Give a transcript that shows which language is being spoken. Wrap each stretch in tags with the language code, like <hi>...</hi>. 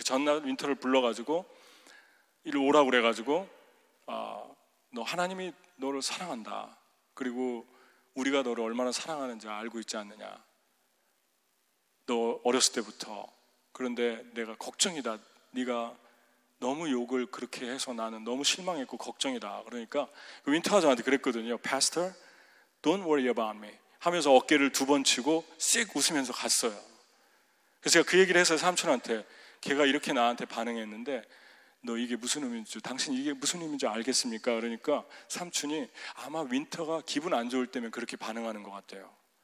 <ko>그 전날 윈터를 불러가지고 이리 오라고 그래가지고 너 하나님이 너를 사랑한다. 그리고 우리가 너를 얼마나 사랑하는지 알고 있지 않느냐. 너 어렸을 때부터 그런데 내가 걱정이다. 네가 너무 욕을 그렇게 해서 나는 너무 실망했고 걱정이다. 그러니까 윈터가 저한테 그랬거든요.</ko> <en>Pastor, don't worry about me.</en> <ko>하면서 어깨를 두 번 치고 씩 웃으면서 갔어요. 그래서 제가 그 얘기를 해서 삼촌한테 걔가 이렇게 나한테 반응했는데 너 이게 무슨 의미인지, 당신 이게 무슨 의미인지 알겠습니까? 그러니까 삼촌이 아마 윈터가 기분 안 좋을 때면 그렇게 반응하는 것 같아요.</ko>